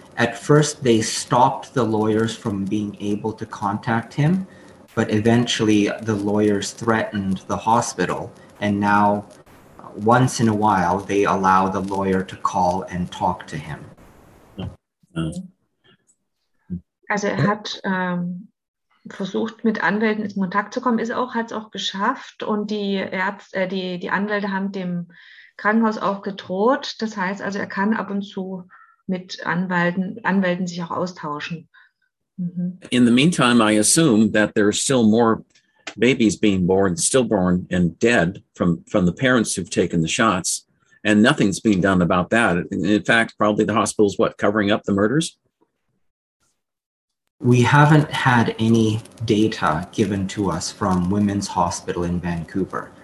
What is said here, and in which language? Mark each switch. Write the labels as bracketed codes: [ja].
[en] At first, they stopped the lawyers from being able to contact him, but eventually the lawyers threatened the hospital. And now, once in a while, they allow the lawyer to call and talk to him. [de] Also hat versucht, mit Anwälten in Kontakt zu kommen, hat es auch geschafft. Und die Anwälte haben dem Krankenhaus auch gedroht. Das heißt, also er kann ab und zu mit Anwälten sich auch austauschen. Mm-hmm. [en] In the meantime, I assume that there are still more babies being born, stillborn and dead from the parents who've taken the shots. And nothing's being done about that. In fact, probably the hospital's covering up the murders? We haven't had any data given to us from Women's Hospital in Vancouver.